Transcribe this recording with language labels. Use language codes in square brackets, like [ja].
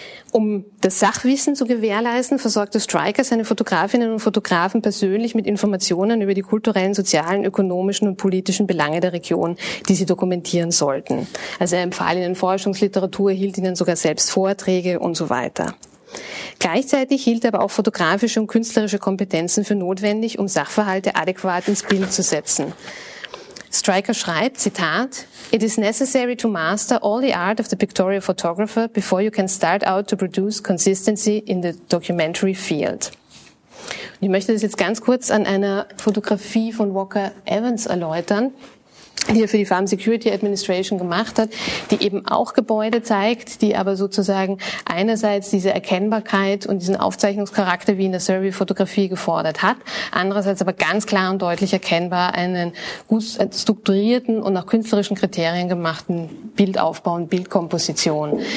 [de] Um das Sachwissen zu gewährleisten, versorgte Stryker seine Fotografinnen und Fotografen persönlich mit Informationen über die kulturellen, sozialen, ökonomischen und politischen Belange der Region, die sie dokumentieren sollten. Also er empfahl ihnen Forschungsliteratur, hielt ihnen sogar selbst Vorträge und so weiter. Gleichzeitig hielt er aber auch fotografische und künstlerische Kompetenzen für notwendig, um Sachverhalte adäquat ins Bild zu setzen. Stryker schreibt, Zitat, [en] "It is necessary to master all the art of the pictorial photographer before you can start out to produce consistency in the documentary field." [de] Und ich möchte das jetzt ganz kurz an einer Fotografie von Walker Evans erläutern, die er für die Farm Security Administration gemacht hat, die eben auch Gebäude zeigt, die aber sozusagen einerseits diese Erkennbarkeit und diesen Aufzeichnungscharakter wie in der Survey-Fotografie gefordert hat, andererseits aber ganz klar und deutlich erkennbar einen gut strukturierten und nach künstlerischen Kriterien gemachten Bildaufbau und Bildkomposition.